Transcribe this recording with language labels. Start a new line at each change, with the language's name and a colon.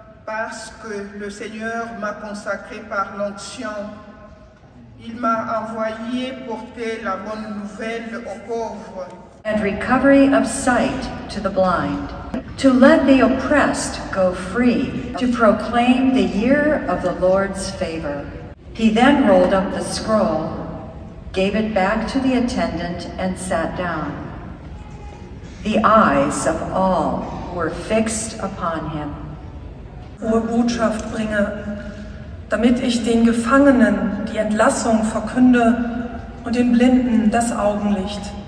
French: Parce que le Seigneur m'a consacré par l'onction. Il m'a envoyé porter la bonne nouvelle aux pauvres.
English: And recovery of sight to the blind. to let the oppressed go free, to proclaim the year of the Lord's favor. He then rolled up the scroll, gave it back to the attendant, and sat down. The eyes of all were fixed upon him.
German: Frohe Botschaft bringe, damit ich den Gefangenen die Entlassung verkünde und den Blinden das Augenlicht.